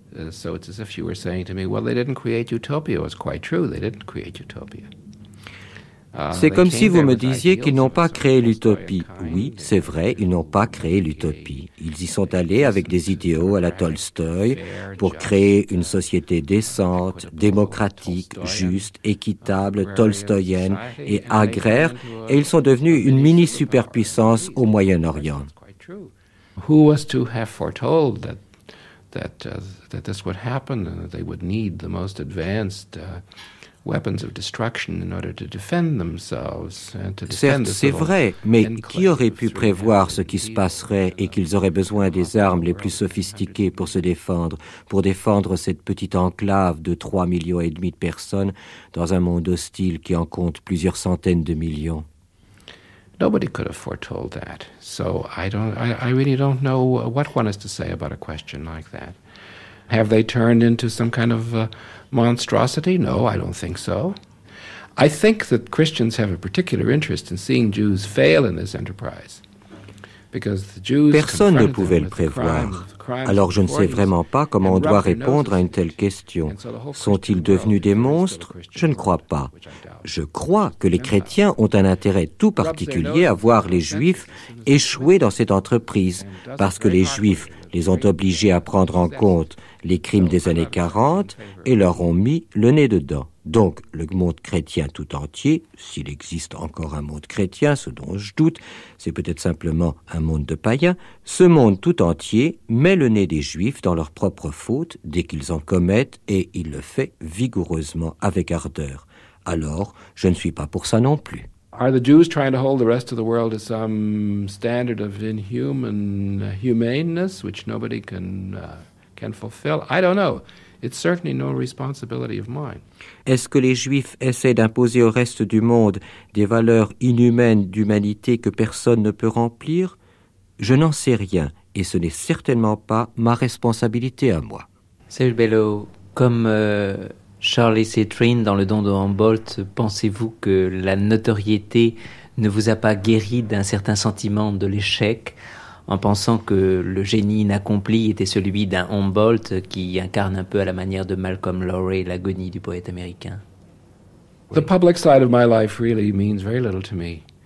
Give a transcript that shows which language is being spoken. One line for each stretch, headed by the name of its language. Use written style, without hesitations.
English: So it's as if you were saying to me, well, they didn't create utopia. It's quite true, they didn't create utopia.
French: C'est comme si vous me disiez qu'ils n'ont pas créé l'utopie. Oui, c'est vrai, ils n'ont pas créé l'utopie. Ils y sont allés avec des idéaux à la Tolstoï pour créer une société décente, démocratique, juste, équitable, tolstoïenne et agraire, et ils sont devenus une mini-superpuissance au Moyen-Orient.
English: Who was to have foretold that that this would happen and that they would need the most advanced weapons of destruction in order to defend themselves and to defend
French: Certes, c'est vrai, mais qui aurait pu prévoir ce qui se passerait et qu'ils auraient besoin des armes les plus sophistiquées pour se défendre, pour défendre cette petite enclave de 3,5 millions de personnes dans un monde hostile qui en compte plusieurs centaines de millions?
English: Nobody could have foretold that. So I really don't know what one is to say about a question like that. Have they turned into some kind of monstrosity? No, I don't think so. I think that Christians have a particular interest in seeing Jews fail in this enterprise. Because the Jews
French: Personne ne pouvait le prévoir. Alors je ne sais vraiment pas comment on doit répondre à une telle question. Sont-ils devenus des monstres? Je ne crois pas. Je crois que les chrétiens ont un intérêt tout particulier à voir les juifs échouer dans cette entreprise, parce que les juifs les ont obligés à prendre en compte les crimes des années 40 et leur ont mis le nez dedans. Donc, le monde chrétien tout entier, s'il existe encore un monde chrétien, ce dont je doute, c'est peut-être simplement un monde de païens, ce monde tout entier met le nez des juifs dans leur propre faute dès qu'ils en commettent et il le fait vigoureusement avec ardeur. Alors, je ne suis pas pour ça non plus.
English: Are the Jews trying to hold the rest of the world to some standard of inhuman humaneness which nobody can fulfill? I don't know. It's certainly no responsibility of mine.
French: Est-ce que les Juifs essaient d'imposer au reste du monde des valeurs inhumaines d'humanité que personne ne peut remplir? Je n'en sais rien et ce n'est certainement pas ma responsabilité à moi. Saül Bellow, comme Charlie Citrine dans Le Don de Humboldt, pensez-vous que la notoriété ne vous a pas guéri d'un certain sentiment de l'échec en pensant que le génie inaccompli était celui d'un Humboldt qui incarne un peu à la manière de Malcolm Lowry l'agonie du poète américain?
English: The public side of my life really means very little to me.